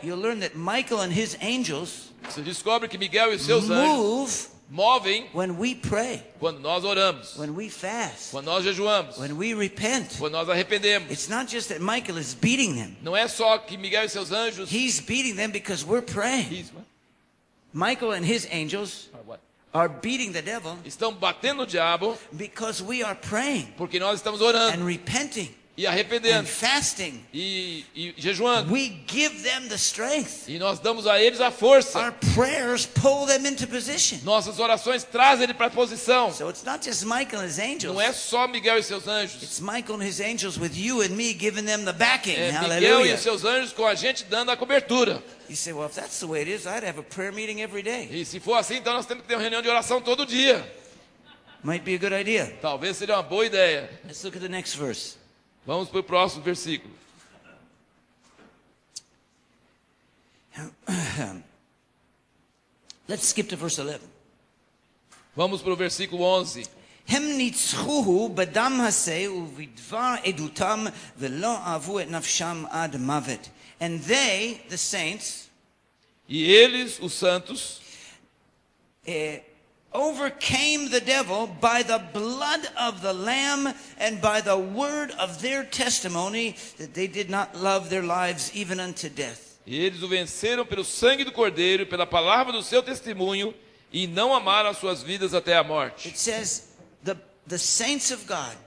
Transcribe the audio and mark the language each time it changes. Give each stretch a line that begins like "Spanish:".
English: you'll learn that Michael and his angels,
Portuguese: você descobre que Miguel e seus
English: move
Portuguese: anjos movem
English: when we pray,
Portuguese: quando nós oramos,
English: when we fast,
Portuguese: quando nós jejuamos,
English: when we repent,
Portuguese: quando nós arrependemos.
English: It's not just that Michael is beating them.
Portuguese: Não é só que Miguel e seus anjos,
English: he's beating them because we're praying. He's what? Michael and his angels are beating the devil,
Portuguese: estão batendo o diabo,
English: because we are praying,
Portuguese: porque nós estamos orando,
English: and repenting,
Portuguese: e arrependendo,
English: and fasting,
Portuguese: e jejuando.
English: We give them the strength,
Portuguese: e nós damos a eles a força.
English: Our prayers pull them into position.
Portuguese: Nossas orações trazem eles para a posição.
English: So it's not just Michael and his angels.
Portuguese: Não é só Miguel e seus anjos.
English: It's Michael and his angels with you and me giving them the backing.
Portuguese: É
English: Hallelujah.
Portuguese: Miguel e seus anjos com a gente dando a cobertura.
English: You say, well, if that's the way it is, I'd have a prayer meeting every day.
Portuguese: E se for assim, então nós temos que ter uma reunião de oração todo dia.
English: Might be a good idea.
Portuguese: Talvez seria uma boa ideia.
English: Let's look at the next verse.
Portuguese: Vamos para o próximo versículo.
English: Let's skip to verse 11.
Portuguese: Vamos para o versículo 11.
Hebrew: הם ניצחוהו בדם הזה ובדבר עדותם ולא אהבו את נפשם עד מוות.
English: And they, the saints,
Portuguese: e eles, os santos,
English: overcame the devil by the blood of the Lamb and by the word of their testimony that they did not love their lives even unto death.
Portuguese: E eles o venceram pelo sangue do Cordeiro e pela palavra do seu testemunho e não amaram as suas vidas até a morte.
English: It says the saints of God.